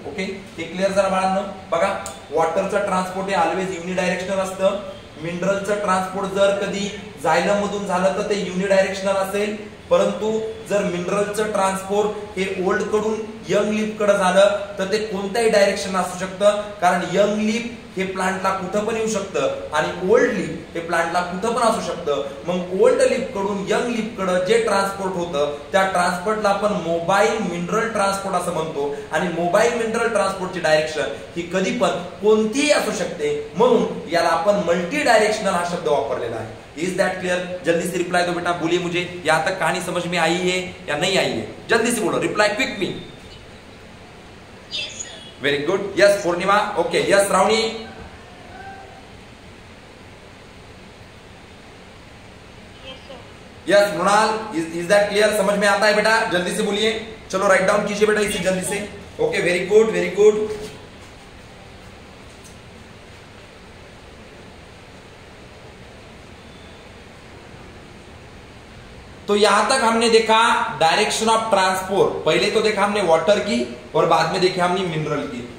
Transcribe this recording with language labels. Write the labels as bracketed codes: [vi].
[mr] Okay, हे clear झालं बाळांनो. बघा वॉटरचं ट्रान्सपोर्ट हे ऑलवेज युनिडायरेक्शनल असतं, मिनरलचं ट्रान्सपोर्ट जर कधी झायलम मधून झालं तर ते युनिडायरेक्शनल असेल, परंतु जर मिनरलचं ट्रान्सपोर्ट हे ओल्ड कडून यंग लीफ कडे झालं तर ते कोणत्याही डायरेक्शन असू शकतं, कारण यंग लीफ हे प्लांटला कुठं पण येऊ शकतं आणि ओल्ड लीफ हे प्लांटला कुठं पण असू शकतं. मग ओल्ड लीफ कडून यंग लीफ कडे जे ट्रान्सपोर्ट होतं त्या ट्रान्सपोर्टला आपण मोबाईल मिनरल ट्रान्सपोर्ट असं म्हणतो, आणि मोबाईल मिनरल ट्रान्सपोर्टची डायरेक्शन ही कधी पण कोणतीही असू शकते, म्हणून याला आपण मल्टी डायरेक्शनल हा शब्द वापरलेला आहे. [en] Is that clear? [hi] जल्दी से रिप्लाय दो बेटा, बोलिए मुझे या तक कहानी समझ में आई है या नहीं आई है, जल्दी से बोलो, [en] Reply quick me. Very good, yes Purnima, okay, yes Ravani, yes Mrinal, is that clear? [hi] समझ में आता है बेटा, जल्दी से बोलिए, चलो राइट डाउन कीजिए बेटा इसे जल्दी से. [en] Okay, very good very good. [hi] तो यहां तक हमने देखा डायरेक्शन ऑफ ट्रांसपोर्ट, पहले तो देखा हमने वाटर की और बाद में देखे हमने मिनरल की.